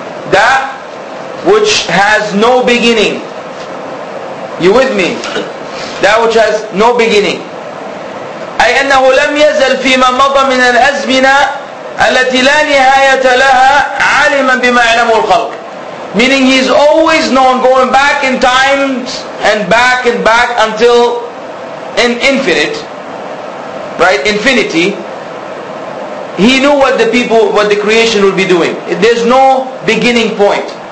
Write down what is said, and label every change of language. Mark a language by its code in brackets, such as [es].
[en] That which has no beginning. You with me? That which has no beginning. [ar] أي أنه لم يزل فيما مضى من الأزمنة التي لا نهاية لها علما بما علمه الخلق. [en] Meaning he is always known, going back in times and back until an infinite. Right, infinity. He knew what the people, what the creation would be doing. There's no beginning point.